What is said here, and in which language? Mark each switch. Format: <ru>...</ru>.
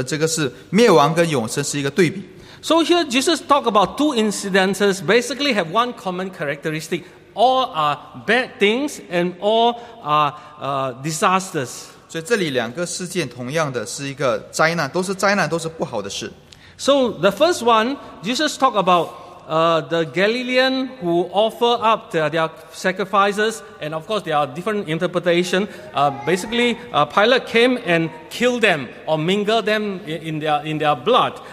<zh>所以这个字也是用在约翰福音三章十六节，我们熟悉的，神来世人，甚至将他的独生子赐给他们，叫一切信他的不至灭亡，反得永生。这个是灭亡跟永生是一个对比。</zh> <en>So here Jesus talk about two incidences, basically have one common characteristic. All are bad things and all are disasters.</en> <zh>所以这里两个事件同样的是一个灾难，都是灾难，都是不好的事。</zh> <en>So the first one, Jesus talk about the Galilean who offer up their sacrifices, and of course there are different interpretation. Pilate came and killed them or mingled them in their blood.</en>